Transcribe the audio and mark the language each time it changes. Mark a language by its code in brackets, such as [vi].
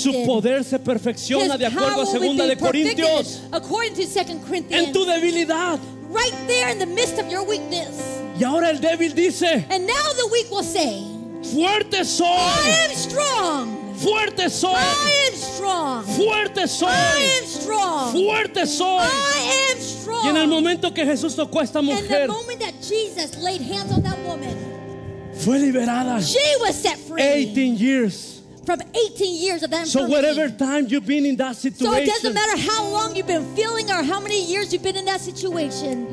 [es] Su poder se perfecciona de acuerdo a segunda de Corintios. [en] According to 2 Corinthians. [es] En tu debilidad. [en] Right there in the midst of your weakness. [es] Y ahora el débil dice. [en] And now the weak will say. [es] Fuerte soy. [en] I am strong. [es] Fuerte soy. [en] I am strong. [es] Fuerte soy. [en] I am strong. [es] Fuerte soy. [en] I am strong. [es] Y en el momento que Jesús tocó a esta mujer. [en] And the moment that Jesus laid hands on that woman. [es] Fue liberada. [en] She was set free. 18 years. From 18 years of that. So whatever time you've been in that situation. So it doesn't matter how long you've been feeling or how many years you've been in that situation.